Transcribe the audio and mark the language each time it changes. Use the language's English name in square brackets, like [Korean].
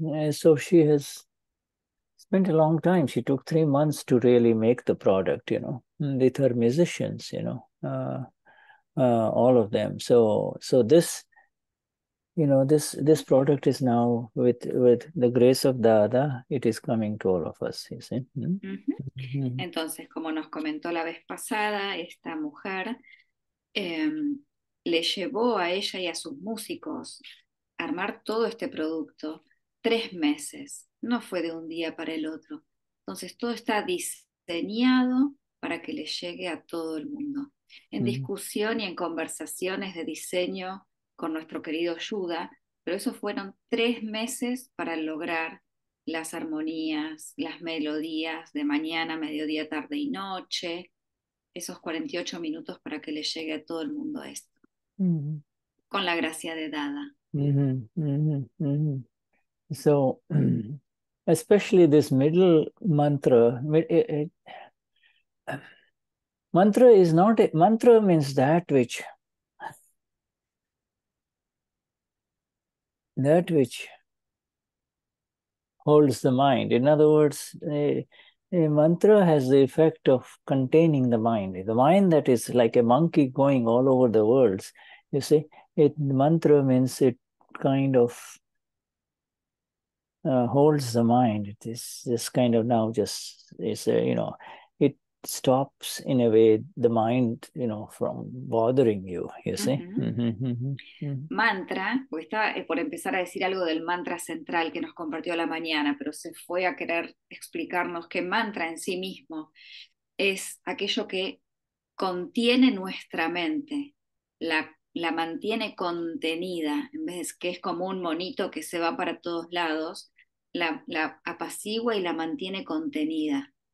[English] So she has spent a long time. She took 3 months to really make the product, you know, with her musicians, you know, all of them. So this, you know, this product is now with the grace of Dada, it is coming to all of us, you see. Mm-hmm. [Spanish] Entonces, como nos comentó la vez pasada, esta mujer le llevó a ella y a sus músicos armar todo este producto 3 meses. No fue de un día para el otro. Entonces, todo está diseñado para que le llegue a todo el mundo. En discusión y en conversaciones de diseño con nuestro querido Yuda, pero eso fueron 3 meses para lograr las armonías, las melodías de mañana, mediodía, tarde y noche, esos 48 minutos para que le llegue a todo el mundo esto, con la gracia de Dada. [English] So, especially this middle mantra, mantra is not, mantra means that which holds the mind. In other words, a mantra has the effect of containing the mind. The mind that is like a monkey going all over the world, you see, it mantra means it kind of holds the mind. It is just kind of now just, is you know, it stops in a way the mind, you know, from bothering you, you see. [Spanish] Mantra, o está por empezar a decir algo del mantra central que nos compartió la mañana, pero se fue a querer explicarnos que mantra en sí mismo es aquello que contiene nuestra mente, la mantiene contenida, en vez de que es como un monito que se va para todos lados, la apacigua y la mantiene contenida.